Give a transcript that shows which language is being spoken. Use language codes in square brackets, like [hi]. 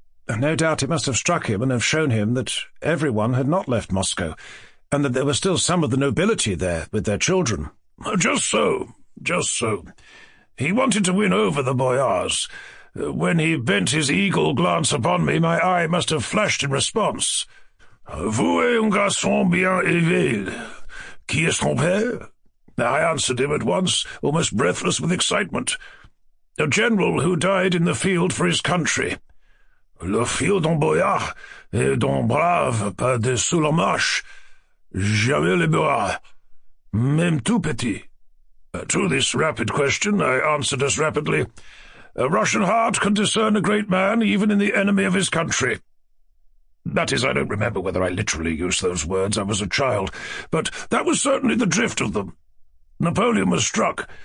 [en] No doubt it must have struck him and have shown him that everyone had not left Moscow, and that there were still some of the nobility there with their children. Just so, just so. He wanted to win over the boyars. When he bent his eagle glance upon me, my eye must have flashed in response. [fr] Vous êtes un garçon bien élevé. Qui est son père? [en] I answered him at once, almost breathless with excitement. A general who died in the field for his country. [fr] Le fils d'un boyard et d'un brave pas de sous la marche. Jamais le boyard, même tout petit. [en] To this rapid question, I answered as rapidly. A Russian heart can discern a great man even in the enemy of his country. That is, I don't remember whether I literally used those words. I was a child. But that was certainly the drift of them. Napoleon was struck.